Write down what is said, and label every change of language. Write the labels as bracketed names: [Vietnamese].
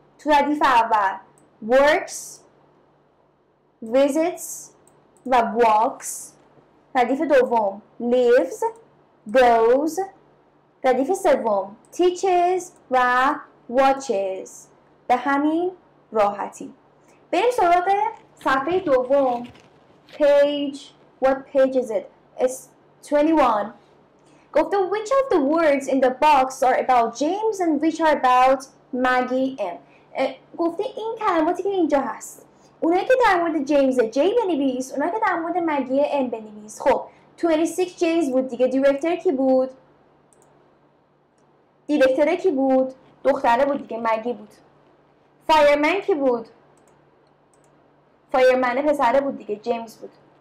[Persian] تو ردیف اول works visits و walks، ردیف دوم lives goes، ردیف سوم teaches و watches. به همین راحتی بریم سراغ صفحه دوم. [English] Page, what page is it? It's 21. Go to which of the words in the box are about James and which are about Maggie M. [Persian] گفته این کلماتی که اینجا هست اونایی که در مورد جیمز J بنویس، اونایی که در مورد مگی M بنویس. خب 26 James بود دیگه، دیرکتر کی بود؟ دیرکتر کی بود؟ دختره بود دیگه، مگی بود. فایرمن کی بود؟ فایرمنه پسره بود دیگه، جیمز بود.